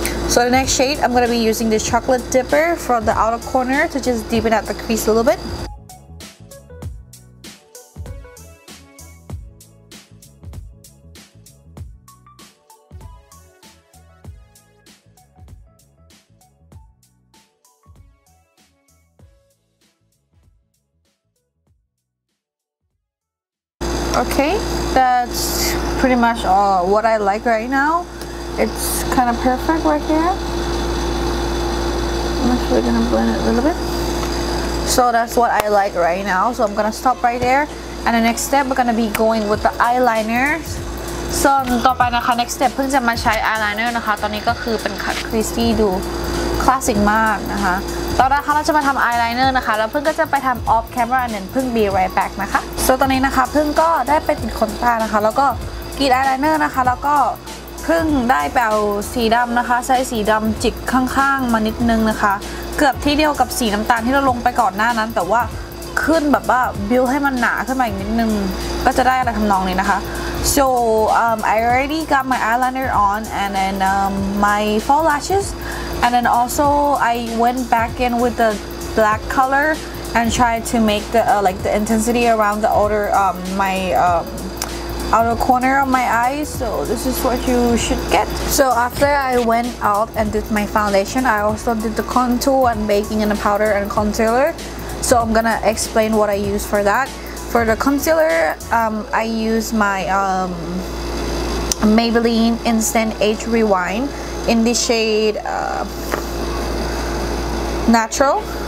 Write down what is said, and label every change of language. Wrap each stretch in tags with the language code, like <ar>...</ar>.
<en>So the next shade I'm gonna be using the Chocolate Dipper from the outer corner to just deepen out the crease a little bitOkay, that's pretty much all what I like right now. It's kind of perfect right here. I'm actually gonna blend it a little bit. So that's what I like right now. So I'm gonna stop right there. And the next step, we're gonna be going with the eyeliner.</en> <th>So ต่อไปนะคะ next step เพิ่งจะมาใช้ eyeliner นะคะตอนนี้ก็คือเป็นคัดคริสตี้ดูคลาสสิกมากนะคะตอนนี้นะคะเราจะมาทำ eyeliner นะคะแล้วเพิ่งก็จะไปทำ</th> <en>off camera and then</en> <th>เพิ่ง</th> <en>be right back</en> <th>นะคะโซตอนนี้นะคะเพิ่งก็ได้ไปติดขนตานะคะแล้วก็กรีดอายไลเนอร์นะคะแล้วก็ เพิ่งได้ไปเอาสีดำนะคะใช้สีดำจิกข้างๆมานิดนึงนะคะเกือบที่เดียวกับสีน้ำตาลที่เราลงไปก่อนหน้านั้นแต่ว่าขึ้นแบบว่าบิวให้มันหนาขึ้นมาอีกนิดนึงก็จะได้อะไรทำนองนี้นะคะ</th> <en>so I already got my eyeliner on and then my fall lashes and then also I went back in with the black colorAnd try to make the like the intensity around the outer my outer corner of my eyes. So this is what you should get. So after I went out and did my foundation, I also did the contour and baking and the powder and concealer. So I'm gonna explain what I use for that. For the concealer, I use my Maybelline Instant Age Rewind in the shade Natural.</en>